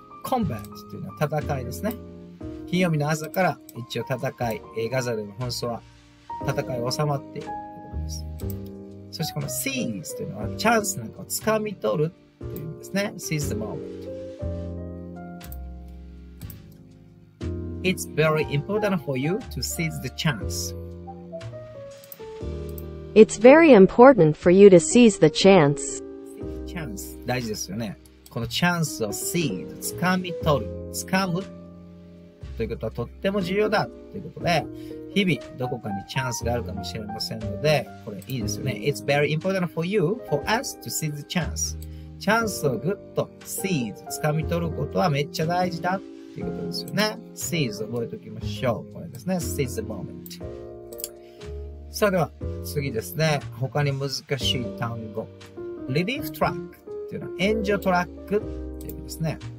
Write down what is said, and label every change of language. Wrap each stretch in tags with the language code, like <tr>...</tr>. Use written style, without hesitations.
<ja>コンバットというのは戦いですね。金曜日の朝から一応戦い、ガザでの紛争は戦い収まっているということです。そしてこの seize というのはチャンスなんかをつかみ取るというんですね。</ja> <en>Seize the moment. It's very important for you to seize the chance. It's very important for you to seize the chance.</en> <ja>Chance 大事ですよね。このチャンスを seize、 掴み取る、掴むということはとっても重要だということで、日々どこかにチャンスがあるかもしれませんので、これいいですよね。</ja> <en>It's very important for you, for us to seize the chance.</en> <ja>チャンスをグッと seize、 掴み取ることはめっちゃ大事だっていうことですよね。 seize 覚えておきましょう。これですね、 seize the moment。さあ、では次ですね、他に難しい単語、 relief truck っていうのは援助トラックっていうことですね。</ja>